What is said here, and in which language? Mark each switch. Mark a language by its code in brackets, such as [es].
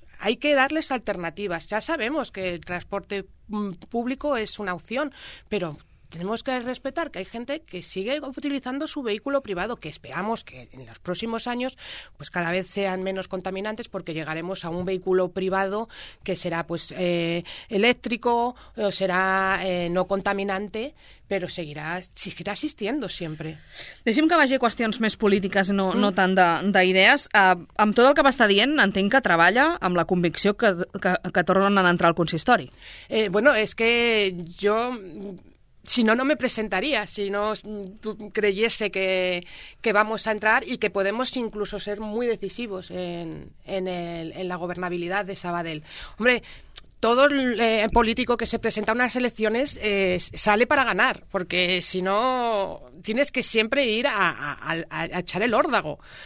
[es] Hay que darles alternativas. Ya sabemos que el transporte público es una opción, pero tenemos que respetar que hay gente que sigue utilizando su vehículo privado, que esperamos que en los próximos años pues cada vez sean menos contaminantes, porque llegaremos a un vehículo privado que será pues eléctrico, o será no contaminante, pero seguirá existiendo siempre. [ca] Deixem que vagi a qüestions més polítiques, no tant d'idees. Amb tot el que va estar dient, entenc que treballa amb la convicció que tornen a entrar al consistori. Bueno, és que jo... [es] Si no, no me presentaría, si no creyese que vamos a entrar y que podemos incluso ser muy decisivos en la gobernabilidad de Sabadell. Hombre, todo político que se presenta a unas elecciones sale para ganar, porque si no tienes que siempre ir a echar el órdago.